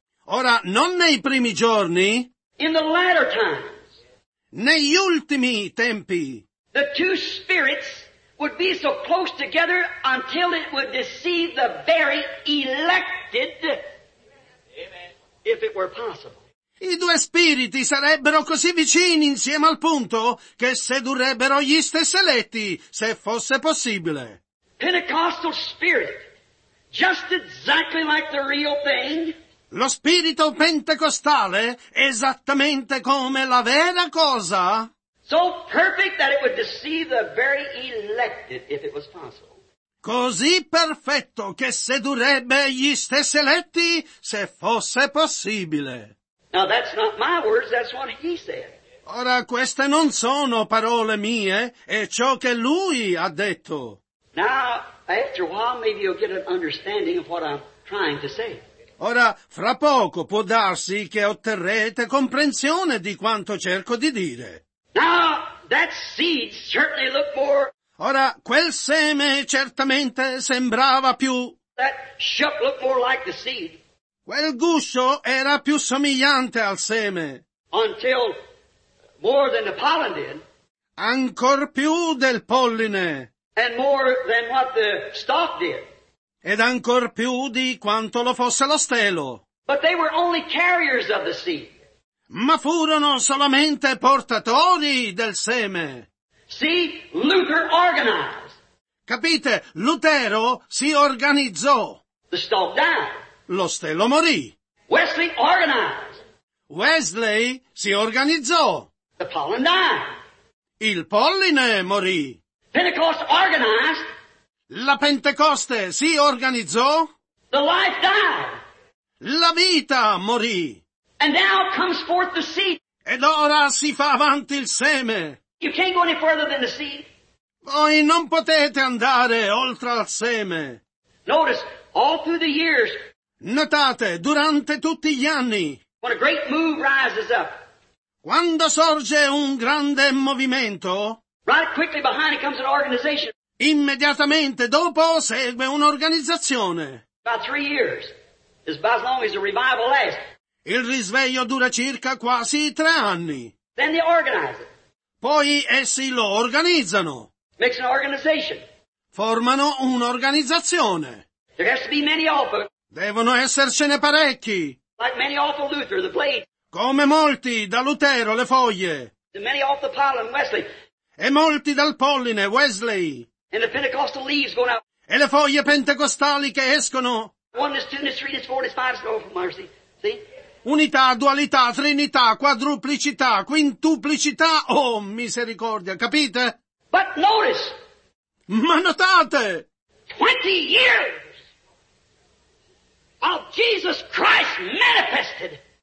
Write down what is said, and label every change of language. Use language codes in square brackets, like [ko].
[it] Ora, non nei primi giorni. [en] In the latter times. [it] Negli ultimi tempi. [en] The two spirits would be so close together until it would deceive the very elected. Amen. If it were possible. [it] I due spiriti sarebbero così vicini insieme al punto che sedurrebbero gli stessi eletti se fosse possibile. [en] Pentecostal spirit, just exactly like the real thing. [it] Lo spirito pentecostale, esattamente come la vera cosa. [en] So perfect that it would deceive the very elected if it was possible. [it] Così perfetto che sedurrebbe gli stessi eletti se fosse possibile. [en] Now that's not my words, that's what he said. [it] Ora queste non sono parole mie, è ciò che lui ha detto. [en] Now, after a while, maybe you'll get an understanding of what I'm trying to say. [it] Ora, fra poco può darsi che otterrete comprensione di quanto cerco di dire. [en] Now, that seed certainly looked more. [it] Ora, quel seme certamente sembrava più. [en] That shuck looked more like the seed. [it] Quel guscio era più somigliante al seme. [en] Until more than the pollen did. [it] Ancor più del polline. [en] And more than what the stalk did. [it] Ed ancor più di quanto lo fosse lo stelo. [en] But they were only carriers of the seed. [it] Ma furono solamente portatori del seme. [en] See, Luther organized. [it] Capite, Lutero si organizzò. [en] The stalk died. [it] Lo stelo morì. [en] Wesley organized. [it] Wesley si organizzò. [en] The pollen died. [it] Il polline morì. [en] Pentecost organized. [it] La Pentecoste si organizzò. [en] The life died. [it] La vita morì. [en] And now comes forth the seed. [it] Ed ora si fa avanti il seme. [en] You can't go any further than the seed. [it] Voi non potete andare oltre al seme. [en] Notice, all through the years. [it] Notate, durante tutti gli anni. [en] When a great move rises up. [it] Quando sorge un grande movimento. [en] Right quickly behind it comes an organization. [it] Immediatamente dopo segue un'organizzazione. [en] About 3 years. It's about as long as the revival lasts. [it] Il risveglio dura circa quasi 3 anni. [en] Then they organize it. [it] Poi essi lo organizzano. [en] Makes an organization. [it] Formano un'organizzazione. [en] There has to be many alpha. [it] Devono essercene parecchi. [en] Like many alpha Luther, the blade. [it] Come molti da Lutero, le foglie. [en] And many alpha pollen, Wesley. [it] E molti dal polline, Wesley. [en] And the Pentecostal leaves going out. [it] E le foglie pentecostali che escono. [en] One is two, and three, and four, and five, and oh, mercy. See? [it] Unità, dualità, trinità, quadruplicità, quintuplicità, oh misericordia, capite? [en] But notice! [it] Ma notate! [en] 20 years of Jesus Christ manifested!